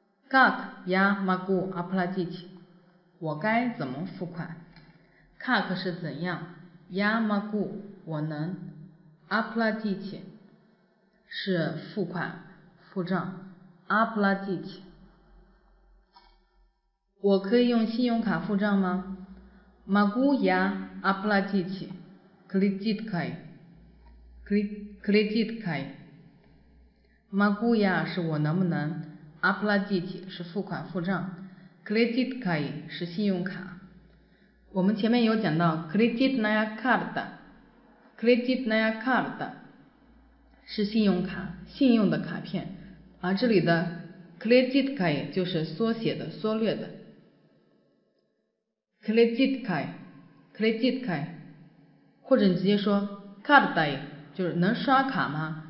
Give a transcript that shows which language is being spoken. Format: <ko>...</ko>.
<ru>как я могу оплатить？</ru> <zh>我该怎么付款？ как 是怎样，</zh> <ru>я могу</ru> <zh>我能， оплатить 是付款付账， оплатить 我可以用信用卡付账吗？</zh> <ru>могу я оплатить кредиткой， кредиткой могу я</ru> <zh>是我能不能， оплатить 是付款付账， кредиткой 是信用卡。我们前面有讲到</zh> <ru>кредитная карта，</ru> <zh>кредитная карта 是信用卡，信用的卡片，而这里的 кредитка 就是缩写的、缩略的 кредитка， кредитка， 或者你直接说 карта， 就是能刷卡吗？</zh>